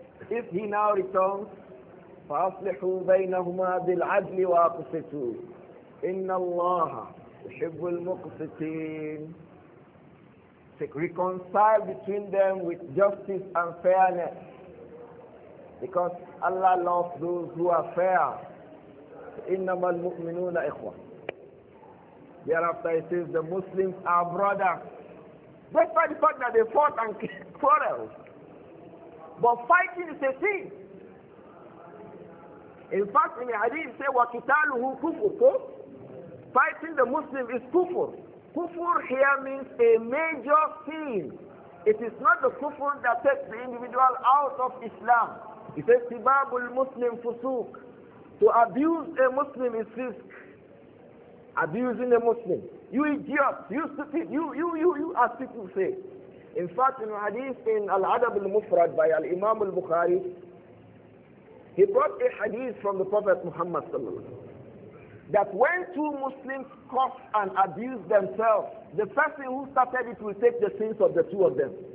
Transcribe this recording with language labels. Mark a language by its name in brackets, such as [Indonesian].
[English] If he now returns, [Arabic] فَأَصْلِحُوا بَيْنَهُمَا بِالْعَدْلِ وَأَقْسِطُوا إِنَّ اللَّهَ يُحِبُّ الْمُقْسِطِينَ. [English] Reconcile between them with justice and fairness, because Allah loves those who are fair. [Arabic] إِنَّمَا الْمُؤْمِنُونَ إِخْوَةٌ. [English] Thereafter it says the Muslims are brothers. Despite the fact that they fought and quarreled. But fighting is a sin. In fact, in the hadith say, [Arabic] وَكِتَالُهُ كُفُرْ. [English] Fighting the Muslim is kufur. Kufur here means a major sin. It is not the kufur that takes the individual out of Islam. It says [Arabic] سِبَابُ الْمُسْلِمْ فُسُوك. [English] To abuse a Muslim is fisk. Abusing a Muslim. You idiot, you stupid, you as people say. In fact, in hadith in Al-Adab al-Mufrad by Al-Imam al-Bukhari, he brought a hadith from the Prophet Muhammad sallallahu alaihi wasallam that when two Muslims cuss and abuse themselves, the person who started it will take the sins of the two of them.